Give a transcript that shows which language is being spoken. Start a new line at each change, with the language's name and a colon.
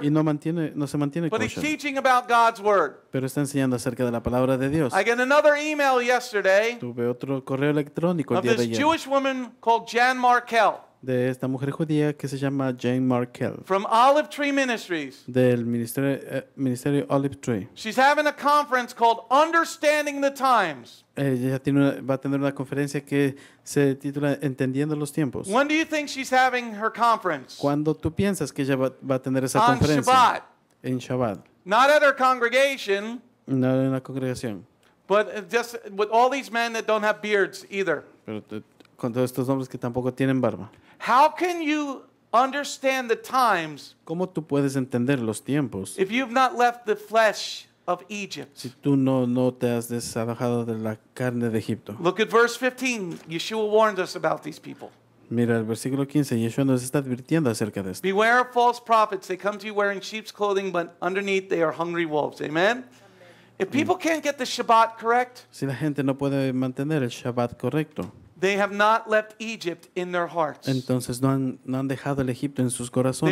Spanish: Y no se mantiene
English: But he's teaching about God's word.
Spanish: Pero está enseñando acerca de la palabra de Dios.
English: I got another email yesterday.
Spanish: Tuve otro correo electrónico el día de ayer.
English: Of this Jewish woman called Jan Markel.
Spanish: De esta mujer judía que se llama Jane Markel.
English: From Olive Tree Ministries.
Spanish: Del ministerio Olive Tree.
English: She's having a conference called Understanding the Times.
Spanish: Ella va a tener una conferencia que se titula Entendiendo los Tiempos.
English: When do you think she's having her conference?
Spanish: ¿Cuándo tú piensas que ella va a tener esa
English: on
Spanish: conferencia?
English: On Shabbat.
Spanish: En Shabbat.
English: Not at her congregation.
Spanish: No en la congregación.
English: But just with all these men that don't have beards either.
Spanish: Pero con todos estos hombres que tampoco tienen barba.
English: How can you understand the times?
Spanish: ¿Cómo tú puedes entender los tiempos?
English: If you've not left the flesh of Egypt.
Spanish: Si tú no te has desalojado de la carne de Egipto.
English: Look at verse 15. Yeshua warns us about these people.
Spanish: Mira el versículo 15. Yeshua nos está advirtiendo acerca de esto.
English: Beware of false prophets. They come to you wearing sheep's clothing, but underneath they are hungry wolves. Amen. If people can't get the Shabbat correct.
Spanish: Si la gente no puede mantener el Shabbat correcto.
English: They have not left Egypt in their hearts.
Spanish: Entonces no han dejado el Egipto en sus corazones.